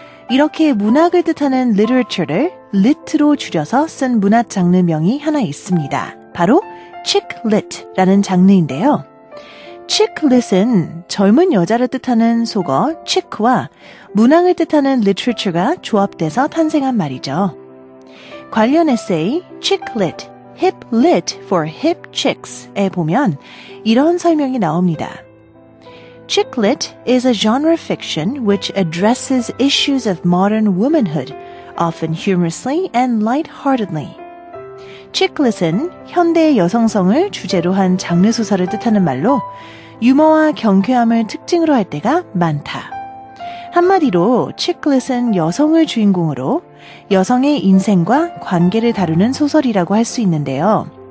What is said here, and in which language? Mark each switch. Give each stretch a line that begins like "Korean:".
Korean: 이렇게 문학을 뜻하는 Literature를 Lit로 줄여서 쓴 문학 장르명이 하나 있습니다. 바로 Chick Lit라는 장르인데요. Chick Lit은 젊은 여자를 뜻하는 속어 Chick와 문학을 뜻하는 Literature가 조합돼서 탄생한 말이죠. 관련 에세이 Chick Lit, Hip Lit for Hip Chicks에 보면 이런 설명이 나옵니다.
English: Chick Lit is a genre fiction which addresses issues of modern womanhood, often humorously and lightheartedly.
Korean: Chick Lit은 현대의 여성성을 주제로 한 장르 소설을 뜻하는 말로 유머와 경쾌함을 특징으로 할 때가 많다. 한마디로 Chick Lit은 여성을 주인공으로 여성의 인생과 관계를 다루는 소설이라고 할 수 있는데요.